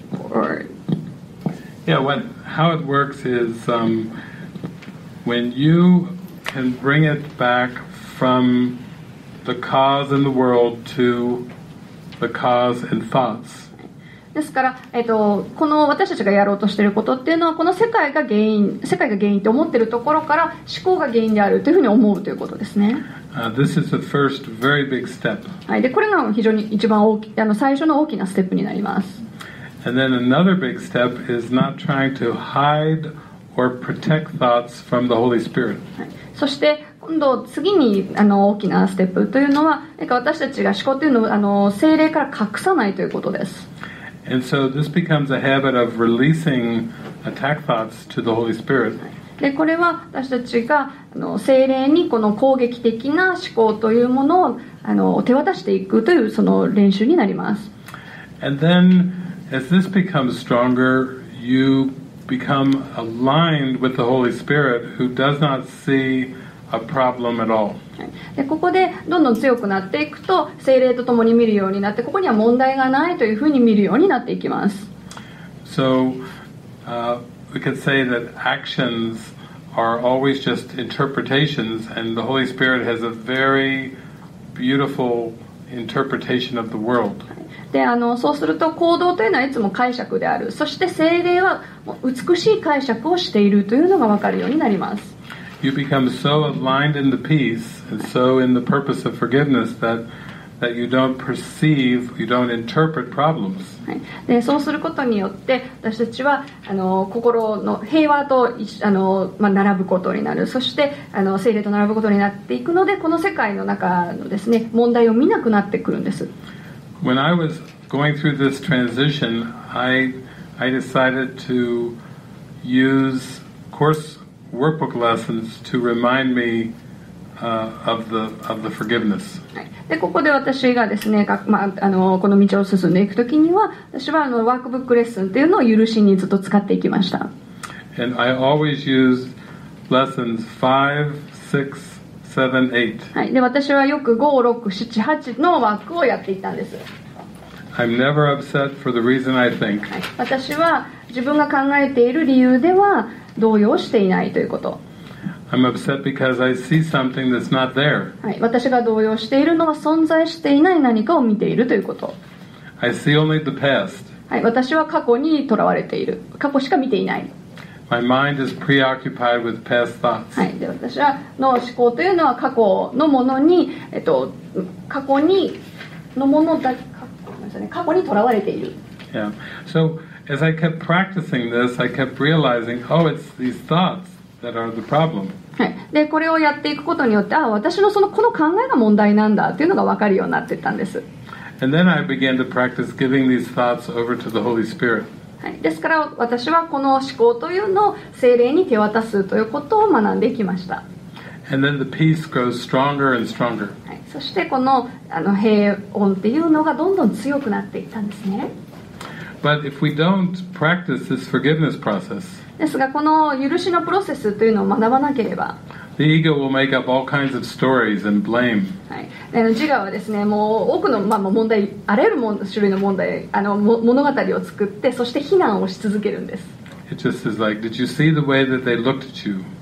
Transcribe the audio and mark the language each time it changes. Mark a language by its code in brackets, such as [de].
[en] Or yeah, when how it works is when you can bring it back from the cause in the world to the cause in thoughts. [ja] ですから、この私たちがやろうとしていることっていうのはこの世界が原因、世界が原因と思っているところから思考が原因であるというふうに思うということですね。 [en] This is the first very big step. [ja] はい、でこれが非常に一番大き、最初の大きなステップになります。 [en] And then another big step is not trying to hide or protect thoughts from the Holy Spirit. [ja] そして今度次に大きなステップというのは、私たちが思考というのを聖霊から隠さないということです。 [en] And so this becomes a habit of releasing attack thoughts to the Holy Spirit. [ja] で、これは私たちが聖霊にこの攻撃的な思考というものを手渡していくというその練習になります。 [en] And then, as this becomes stronger, you become aligned with the Holy Spirit, who does not see a problem at all. [ja] でここでどんどん強くなっていくと聖霊とともに見るようになってここには問題がないというふうに見るようになっていきます。 [en] So, we could say that actions are always just interpretations, and the Holy Spirit has a very beautiful interpretation of the world. [ja] でそうすると行動というのはいつも解釈である。そして聖霊は美しい解釈をしているというのが分かるようになります。 [en] You become so aligned in the peace and so in the purpose of forgiveness that you don't perceive, you don't interpret problems. [ja] で、そうすることによって私たちは心の平和と並ぶことになる。そして聖霊と並ぶことになっていくので、この世界の中のですね、問題を見なくなってくるんです。 [en] When I was going through this transition, I decided to use courseworkbook lessons to remind me of the forgiveness. [ja] でここで私がですね、この道を進んでいくときには、私はワークブックレッスンというのを許しにずっと使っていきました。 [en] And I always use lessons 5, 6, 7, 8. [ja] はい。で私はよく5、6、7、8のワークをやっていたんです。 [en] I'm never upset for the reason I think. [ja] はい。私は自分が考えている理由では動揺していないということ。 [en] I'm upset because I see something that's not there. [ja] はい、私が動揺しているのは存在していない何かを見ているということ。 [en] I see only the past. [ja] はい、私は過去にとらわれている。過去しか見ていない。 [en] My mind is preoccupied with past thoughts. [ja] はい、で私はの思考というのは過去のものに、過去にのものだ、過去にとらわれている。 [en] Yeah. So,As I kept practicing this, I kept realizing, oh, it's these thoughts that are the problem. [ja] で、これをやっていくことによって、あ、私のそのこの考えが問題なんだっていうのが分かるようになっていったんです。 [en] And then I began to practice giving these thoughts over to the Holy Spirit. [ja] ですから、私はこの思考というのを聖霊に手渡すということを学んでいきました。 [en] And then the peace grows stronger and stronger. [ja] そしてこの平穏っていうのがどんどん強くなっていったんですね。 [en] But if we don't practice this forgiveness process, [ja] ですがこの許しのプロセスというのを学ばなければ、 [en] the ego will make up all kinds of stories and blame. [ja] はい、自我はですね、もう多くの、問題、あらゆる種類の問題、物語を作って、そして非難をし続けるんです。 [en] It just is like, did you see the way that they looked at you?